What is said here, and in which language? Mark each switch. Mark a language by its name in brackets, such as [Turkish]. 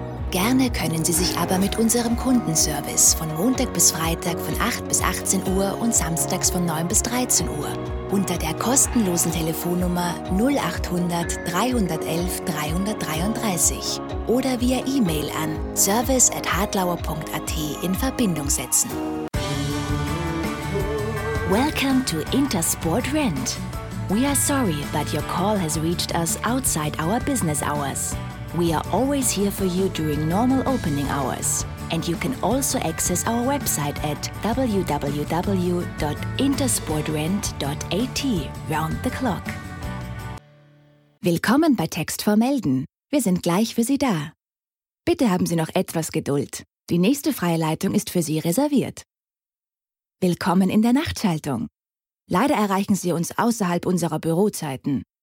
[German] Gerne können Sie sich aber mit unserem Kundenservice von Montag bis Freitag von 8 bis 18 Uhr und samstags von 9 bis 13 Uhr unter der kostenlosen Telefonnummer 0800 311 333 oder via E-Mail an service@hartlauer.at in Verbindung setzen. [English] Welcome to Intersport Rent. We are sorry, but your call has reached us outside our business hours. We are always here for you during normal opening hours. And you can also access our website at www.intersportrent.at round the clock. [German] Willkommen bei Text vermelden. Wir sind gleich für Sie da. Bitte haben Sie noch etwas Geduld. Die nächste freie Leitung ist für Sie reserviert. Willkommen in der Nachtschaltung. Leider erreichen Sie uns außerhalb unserer Bürozeiten.